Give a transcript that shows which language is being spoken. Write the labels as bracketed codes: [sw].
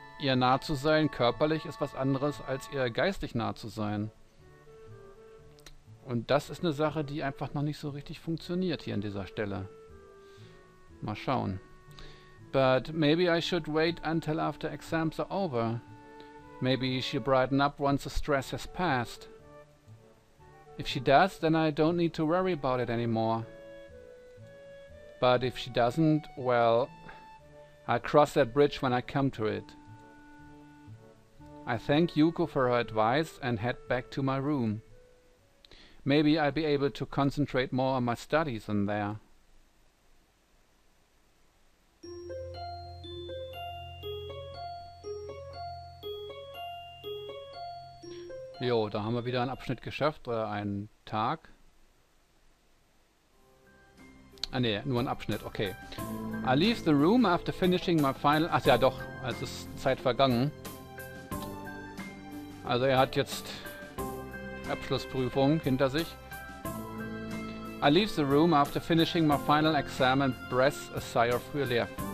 [de] Ihr nah zu sein, körperlich, ist was anderes, als ihr geistig nah zu sein. Und das ist eine Sache, die einfach noch nicht so richtig funktioniert hier an dieser Stelle. Mal schauen. [en] But maybe I should wait until after exams are over. Maybe she'll brighten up once the stress has passed. If she does, then I don't need to worry about it anymore. But if she doesn't, well, I'll cross that bridge when I come to it. I thank Yuko for her advice and head back to my room. Maybe I'll be able to concentrate more on my studies in there. [de] Jo, da haben wir wieder einen Abschnitt geschafft, oder einen Tag. Ah ne, nur ein Abschnitt, okay. [en] I leave the room after finishing my final... [de] Ach ja, doch, es ist Zeit vergangen. Also er hat jetzt Abschlussprüfung hinter sich. [en] I leave the room after finishing my final exam and breathe a sigh of relief.